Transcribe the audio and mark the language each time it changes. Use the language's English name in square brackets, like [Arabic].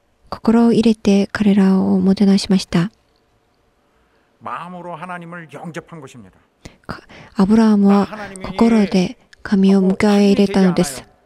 [Japanese] 心を入れて彼らをもてなしました。 [Korean] 마음으로하나님을영접한것입니다 [Japanese] 아브라함은心으로で神を迎え入れたのです。